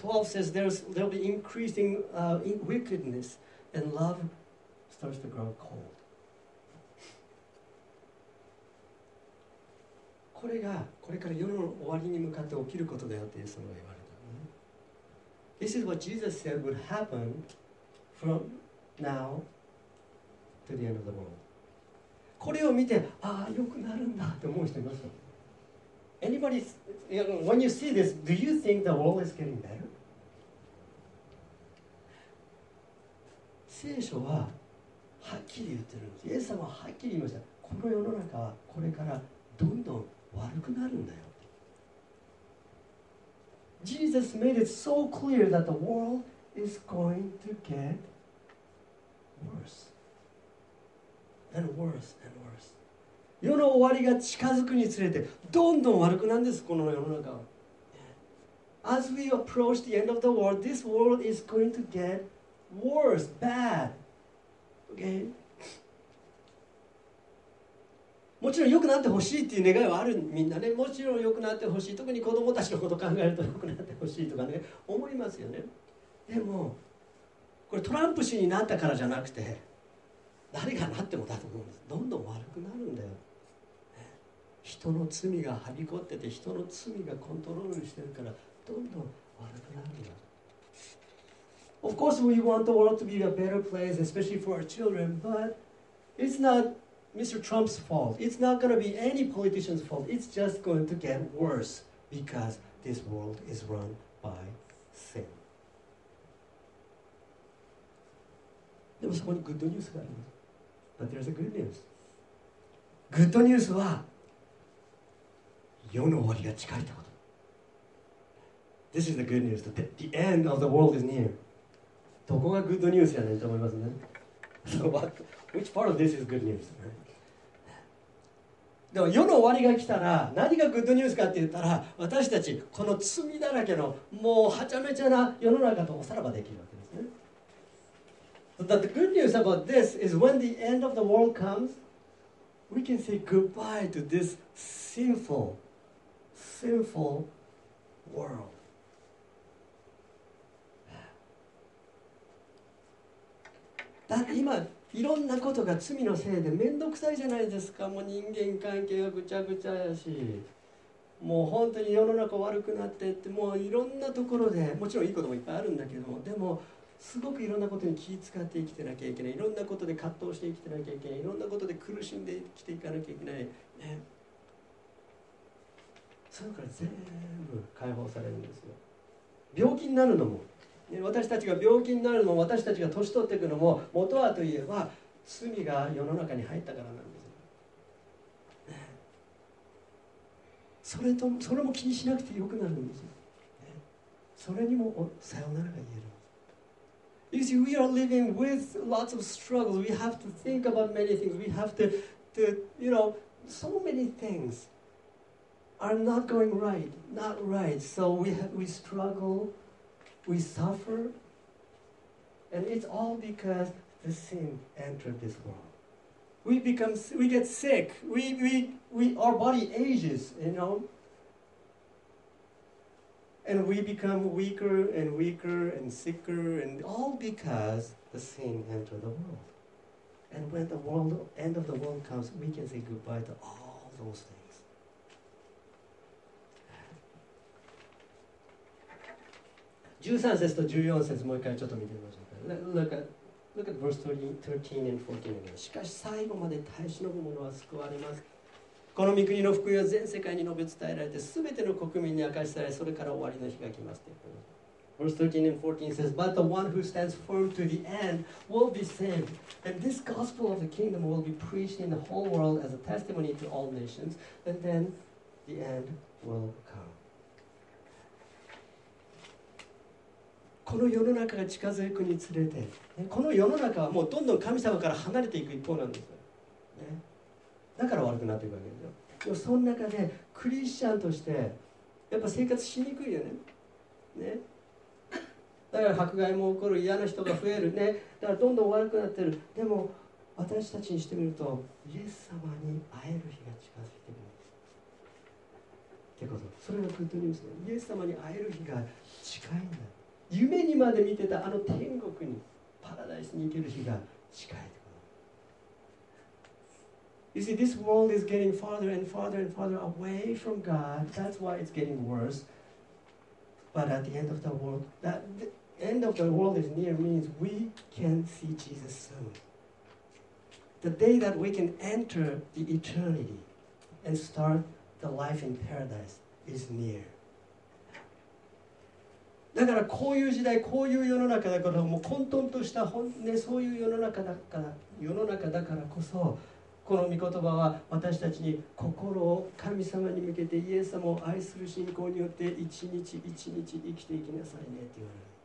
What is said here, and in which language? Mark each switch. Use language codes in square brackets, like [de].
[en] And verse 12 says, there'll be increasing wickedness, and love starts to grow cold. [ja] これがこれから世の終わりに向かって起きることだよってイエス様が言われた、ね。 [en] This is what Jesus said would happen from now to the end of the world. [ja] これを見て、ああ、良くなるんだって思う人いますか？ [en] Anybody, you know, when you see this, do you think the world is getting better? [ja] 聖書ははっきり言ってるんです。イエス様ははっきり言いました。この世の中はこれからどんどん悪くなるんだよ。 [en] Jesus made it so clear that the world is going to get worse and worse and worse. [ja] 世の終わりが近づくにつれてどんどん悪くなるんです、この世の中は。 [en] As we approach the end of the world, this world is going to get worse, bad. Okay? [ja] もちろん良くなってほしいっていう願いはある、みんなね、もちろん良くなってほしい、特に子供たちのこと考えると良くなってほしいとかね、思いますよね。でもこれトランプ氏になったからじゃなくて、誰がなってもだと思うんです。どんどん悪くなるんだよ。人の罪がはびこってて、人の罪がコントロールしてるから、どんどん悪くなるんだ。 [en] Of course we want the world to be a better place, especially for our children, but it's notMr. Trump's fault. It's not going to be any politician's fault. It's just going to get worse because this world is run by sin. [ja] でもそこにグッドニュースがあります。 [en] But there's a good news. [ja] グッドニュースは世の終わりが近いってこと。 [en] This is the good news. The end of the world is near. [ja] どこがグッドニュースやねんと思いますね。 [en] So what? Which part of this is good news? [ja] でも世の終わりが来たら何がグッドニュースかって言ったら、私たちこの罪だらけのもうはちゃめちゃな世の中とおさらばできるわけですね。 [en] But the good news about this is when the end of the world comes, we can say goodbye to this sinful, sinful world. [ja] だって今いろんなことが罪のせいで面倒くさいじゃないですか。もう人間関係がぐちゃぐちゃやし、もう本当に世の中悪くなってって、もういろんなところで、もちろんいいこともいっぱいあるんだけども、でもすごくいろんなことに気を使って生きてなきゃいけない、いろんなことで葛藤して生きてなきゃいけない、いろんなことで苦しんで生きていかなきゃいけない、ね、それから全部解放されるんですよ。病気になるのも、私たちが病気になるのも、私たちが年取っていくのも、元はといえば罪が世の中に入ったからなんです。それとそれも気にしなくてよくなるんですよ。それにもさよならが言える。 [en] You see, we are living with lots of struggles. We have to think about many things. We have to, you know, so many things are not going right, not right. So we struggle. We suffer, and it's all because the sin entered this world. We get sick. We our body ages, you know. And we become weaker and weaker and sicker, and all because the sin entered the world. And when the world, end of the world comes, we can say goodbye to all those things. [ja] 13節と14節もう一回ちょっと見てみましょうか。 [en] Look at verse 13 and 14 again. [ja] しかし最後まで耐え忍ぶ者は救われます。この御国の福音は全世界に述べ伝えられて、全ての国民に明かしされ、それから終わりの日が来ます。 [en] Verse 13 and 14 says, But the one who stands firm to the end will be saved. And this gospel of the kingdom will be preached in the whole world as a testimony to all nations. And then the end will come. [ja] この世の中が近づくにつれて、ね、この世の中はもうどんどん神様から離れていく一方なんですよ、ね、だから悪くなっていくわけですよ。でもその中でクリスチャンとしてやっぱ生活しにくいよ ね。だから迫害も起こる、嫌な人が増えるね。だからどんどん悪くなってる。でも私たちにしてみると、イエス様に会える日が近づいてくるんです。ってこと、それがグッドニュースで、イエス様に会える日が近いんだ。夢にまで見てたあの天国に、パラダイスに行ける日が近い。 [en] You see, this world is getting farther and farther and farther away from God. That's why it's getting worse. But at the end of the world, that the end of the world is near means we can see Jesus soon. The day that we can enter the eternity and start the life in paradise is near. [ja] だからこういう時代、こういう世の中だから、もう混沌とした、ね、そういう世の中だから、世の中だからこそ、この御言葉は私たちに心を神様に向けて、イエス様を愛する信仰によって一日一日生きていきなさいねって言われる。